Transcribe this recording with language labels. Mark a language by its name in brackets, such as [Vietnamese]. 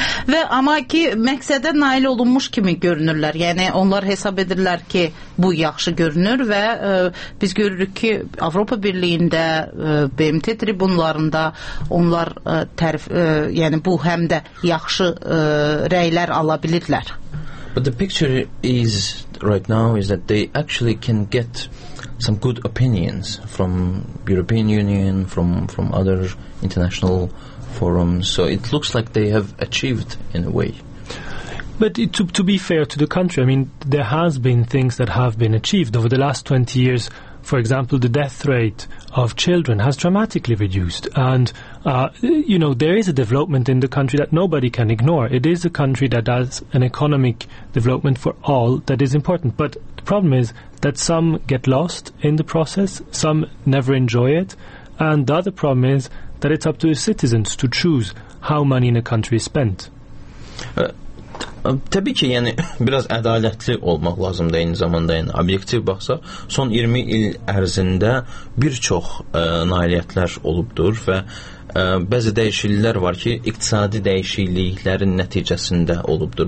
[Azerbaijani] Və amma ki məqsədə nail olunmuş kimi görünürlər. Yəni onlar hesab edirlər ki, bu yaxşı görünür və biz görürük ki, Avropa Birliyində, BMT tribunlarında onlar yəni bu həm də yaxşı rəylər ala bilirlər. [English] But the picture is right now is that they actually can get some good opinions from European Union, from other international forums. So it looks like they have achieved in a way. But to be fair to the country, I mean, there has been things that have been achieved over the last 20 years. For example, the death rate of children has dramatically reduced. And, you know, there is a development in the country that nobody can ignore. It is a country that has an economic development for all that is important. But the problem is that some get lost in the process, some never enjoy it. And the other problem is that it's up to the citizens to choose how money in a country is spent. [Azerbaijani] Təbii ki, yəni, biraz ədalətli olmaq lazımdır eyni zamanda. Yəni, objektiv baxsa, son 20 il ərzində bir çox nailiyyətlər olubdur və bəzi dəyişikliklər var ki, iqtisadi dəyişikliklərin nəticəsində olubdur.